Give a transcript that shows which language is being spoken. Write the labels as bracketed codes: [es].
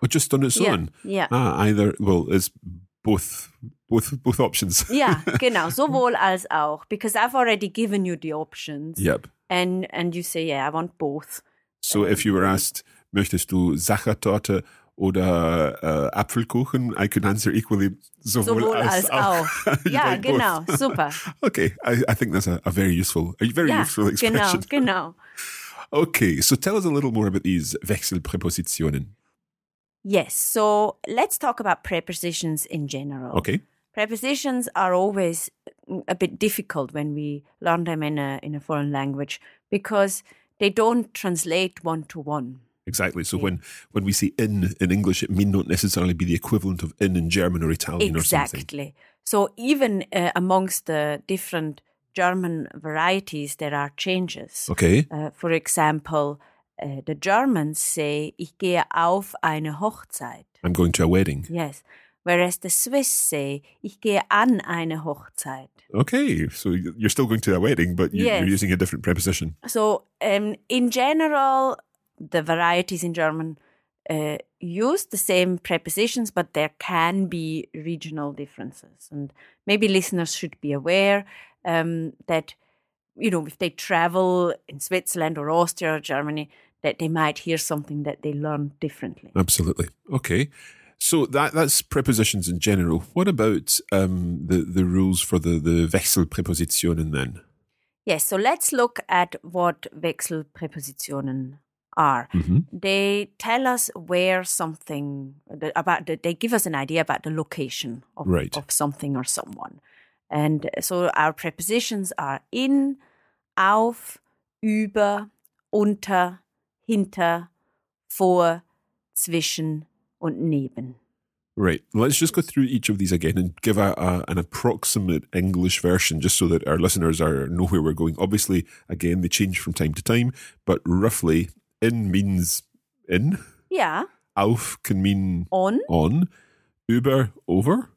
[en] Oh, just on its own? Yeah. Ah, either, well, it's both options. [de] Yeah, genau. Sowohl als auch. [en] Because I've already given you the options. Yep. And you say, yeah, I want both. So if you were asked, [de] möchtest du Sachertorte oder Apfelkuchen, [en] I could answer equally [de] sowohl als auch. Ja, like genau, both. Super. [en] Okay, I think that's a very useful expression. [de] Genau. [en] Okay, so tell us a little more about these Wechselpräpositionen. Yes, so let's talk about prepositions in general. Okay. Prepositions are always a bit difficult when we learn them in a foreign language because they don't translate one-to-one. Exactly. So when we say in English, it may not necessarily be the equivalent of in German or Italian exactly. or something. Exactly. So even amongst the different German varieties, there are changes. Okay. For example, the Germans say, [de] ich gehe auf eine Hochzeit. [en] I'm going to a wedding. Yes. Whereas the Swiss say, [de] ich gehe an eine Hochzeit. [en] Okay. So you're still going to a wedding, but you're using a different preposition. So in general... The varieties in German use the same prepositions, but there can be regional differences. And maybe listeners should be aware that, you know, if they travel in Switzerland or Austria or Germany, that they might hear something that they learn differently. Absolutely. Okay. So that's prepositions in general. What about the rules for the Wechselpräpositionen then? Yes. So let's look at what Wechselpräpositionen are. Mm-hmm. They tell us where something, they give us an idea about the location of something or someone. And so our prepositions are [de] in, auf, über, unter, hinter, vor, zwischen und neben. [en] Right. Let's just go through each of these again and give an approximate English version just so that our listeners know where we're going. Obviously, again, they change from time to time, but roughly, in means in. Yeah. Auf can mean on. On. Über, over.